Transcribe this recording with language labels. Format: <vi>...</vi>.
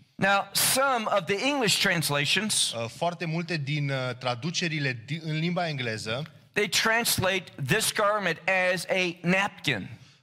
<en>Now some of the English translations.</en> <ro>Foarte multe din traducerile în limba engleză.</ro> <en>They translate this garment as a napkin.</en>